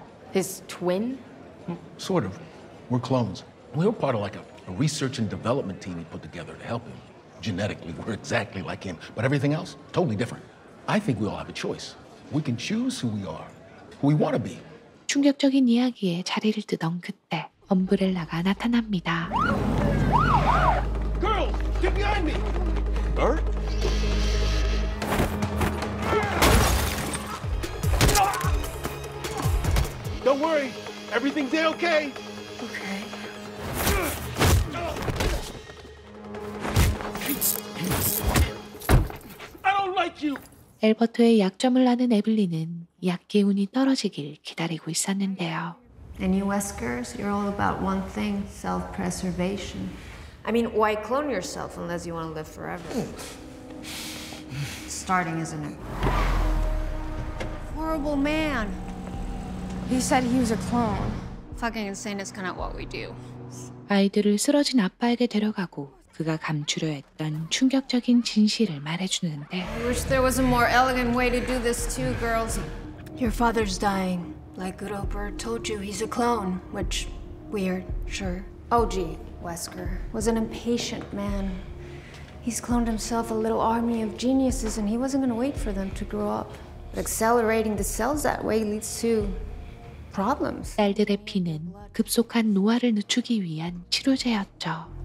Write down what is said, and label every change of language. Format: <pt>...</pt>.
<en>His twin? Sort of. We're clones. We were part of like a research and development team he put together to help him. Genetically, we're exactly like him, but everything else, totally different. I think we all have a choice. We can choose who we are, who we want to be.</en> <ko>충격적인 이야기에 자리를 뜨던 그때, 엄브렐라가 나타납니다.</ko> <en>Girls, get behind me! Bert? Don't worry, everything's okay. Okay. I don't like you.</en> <ko>엘버트의 약점을 아는 에블린은 약기운이 떨어지길 기다리고 있었는데요.</ko> <en>And you Weskers, you're all about one thing, self-preservation. I mean, why clone yourself unless you want to live forever? Starting, isn't it? Horrible man. He said he was a clone. Fucking insane is kind of what we do.</en> <ko>아이들을 쓰러진 아빠에게 데려가고 그가 감추려 했던 충격적인 진실을 말해주는데.</ko> <en>I wish there was a more elegant way to do this too, girls. Your father's dying. Like good old Bert told you, he's a clone. Which, weird, sure. OG Wesker was an impatient man. He's cloned himself a little army of geniuses and he wasn't going to wait for them to grow up. But accelerating the cells that way leads to problems.</en> <ko>딸들의 피는 급속한 노화를 늦추기 위한 치료제였죠.</ko>